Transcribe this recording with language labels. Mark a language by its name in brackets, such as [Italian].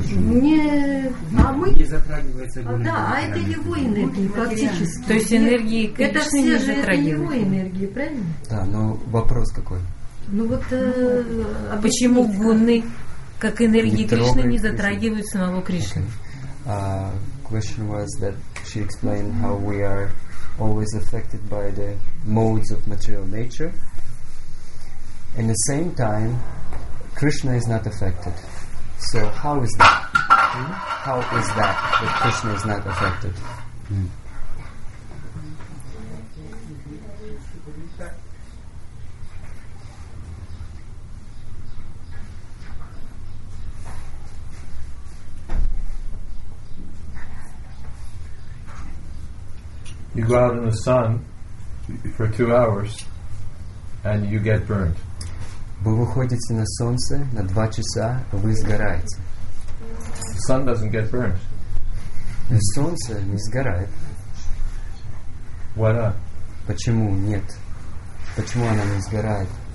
[Russian] Не затрагивается гун. Да, а это его энергия, фактически. То есть энергии Кришны не затрагивают. Это все же его энергии, правильно? Да, но вопрос какой? Ну вот, а почему гуны, как энергии Кришны, не затрагивают самого Кришны? [English] Question was that she explained how we are always affected by the modes of material nature. In the same time, Krishna is not affected. So how is that? How is that that Krishna is not affected? You go out in the sun for 2 hours and you get burned. [Russian] Вы выходите на солнце на 2 часа, вы сгораете. [English] The sun doesn't get burned. [Russian] Солнце не сгорает. [English] Why not? [Russian] Почему нет? Почему она не сгорает?